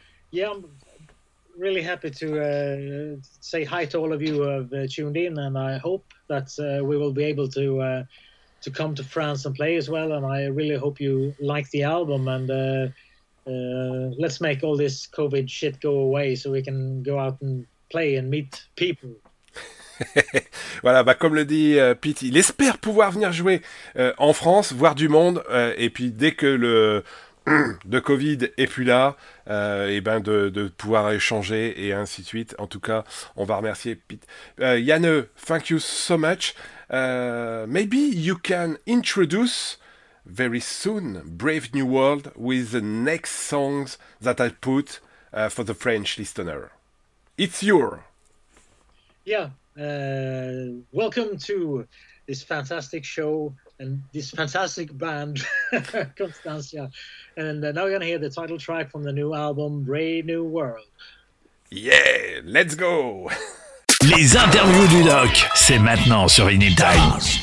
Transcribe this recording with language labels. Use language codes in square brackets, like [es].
[en] Yeah, I'm really happy to say hi to all of you who have tuned in, and I hope that we will be able to to come to France and play as well, and I really hope you like the album, and let's make all this COVID shit go away so we can go out and play and meet people. [fr] Voilà, bah comme le dit Pete, il espère pouvoir venir jouer en France, voir du monde, et puis dès que le de Covid est plus là, et ben de pouvoir échanger et ainsi de suite. En tout cas, on va remercier Pete. Yanne, [en] thank you so much. Maybe you can introduce very soon Brave New World with the next songs that I put for the French listener. It's your. Yeah. Welcome to this fantastic show and this fantastic band, Constantia. And now we're going to hear the title track from the new album, Brave New World. Yeah, let's go! [fr] Les interviews du Doc, c'est maintenant sur Inil Time.